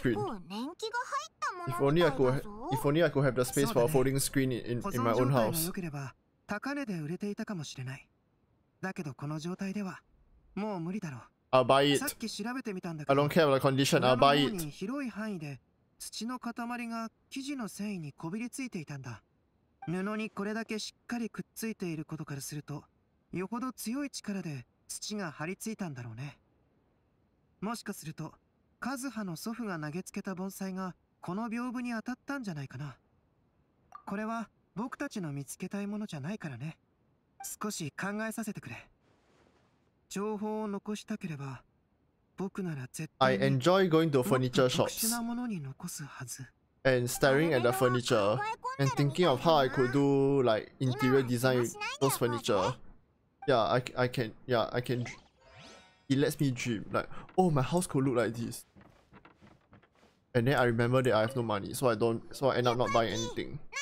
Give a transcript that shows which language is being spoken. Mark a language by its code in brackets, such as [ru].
[ja] 結構年季が入ったものだぞ。 [en] If only I could have the space for a folding screen in my own house. [ja] 保存状態が良ければ高値で売れていたかもしれない。だけどこの状態ではもう無理だろう。 [en] I'll buy it. I don't care about the condition. I'll buy it. [ja] 広い範囲で土の塊が生地の繊維にこびりついていたんだ。布にこれだけしっかりくっついていることからすると、よほど強い力で土が張り付いたんだろうね。もしかすると、カズハの祖父が投げつけた盆栽がこの屏風に当たったんじゃないかな。これは僕たちの見つけたいものじゃないからね。少し考えさせてくれ。情報を残したければ、僕なら絶対に。 [en] I enjoy going to furniture shops. [ja] 特殊なものに残すはず。 [en] And staring at the furniture and thinking of how I could do like interior design with those furniture. Yeah, I can. It lets me dream like, oh, my house could look like this. And then I remember that I have no money, so I end up not buying anything.